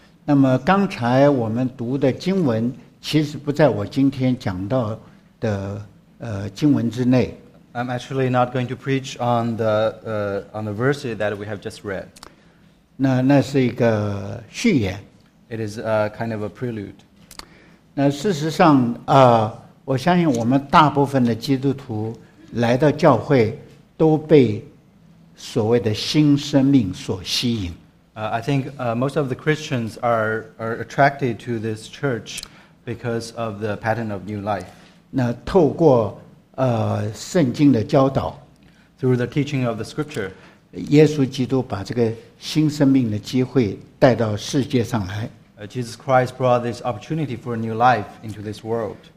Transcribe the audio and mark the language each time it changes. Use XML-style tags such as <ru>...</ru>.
<zh>那么刚才我们读的经文, 其实不在我今天讲到的, 经文之内。</zh> <en>I'm actually not going to preach on the verse that we have just read.</en> <zh>那是一个序言。</zh> <en>It is a kind of a prelude.</en> <zh>那事实上, 我相信我们大部分的基督徒来到教会 都被所谓的新生命所吸引。</zh> <en>I think most of the Christians are attracted to this church because of the pattern of new life.</en> <zh>那透过 圣经的教导,</zh> <en>through the teaching of the scripture,</en> <zh>耶稣基督把这个新生命的机会带到世界上来。</zh> <en>Jesus Christ brought this opportunity for a new life into this world.</en>